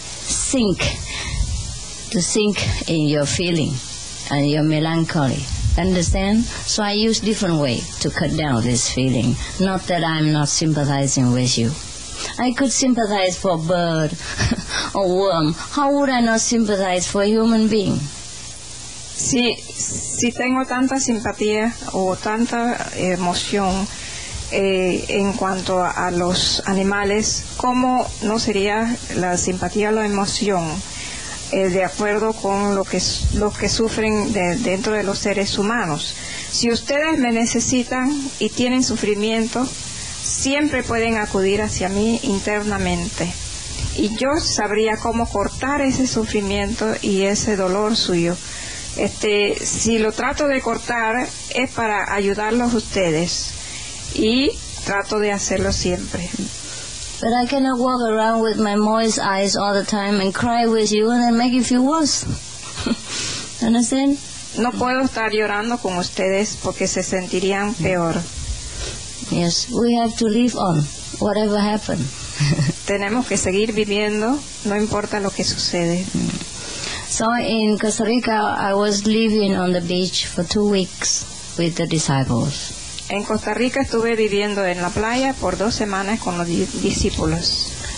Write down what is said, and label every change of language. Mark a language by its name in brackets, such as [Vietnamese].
[English] sink, to sink in your feeling and your melancholy. Understand? So I use different way to cut down this feeling. Not that I'm not sympathizing with you. I could sympathize for a bird or worm. How would I not sympathize for a human being? [Spanish] Si tengo tanta simpatía o tanta emoción en cuanto a los animales, ¿cómo no sería la simpatía o la emoción de acuerdo con lo que sufren dentro de los seres humanos? Si ustedes me necesitan y tienen sufrimiento, siempre pueden acudir hacia mí internamente. Y yo sabría cómo cortar ese sufrimiento y ese dolor suyo. Si lo trato de cortar, es para ayudarlos ustedes. Y trato de hacerlo siempre. [English] But I cannot walk around with my moist eyes all the time and cry with you and then make you feel worse. Understand? [Spanish] No puedo estar llorando con ustedes porque se sentirían peor. [English] Yes, we have to live on, whatever happens. [Spanish] Tenemos que seguir viviendo, no importa lo que sucede. [English] So in Costa Rica, I was living on the beach for 2 weeks with the disciples. [Spanish] En Costa Rica estuve viviendo en la playa por 2 semanas con los discípulos.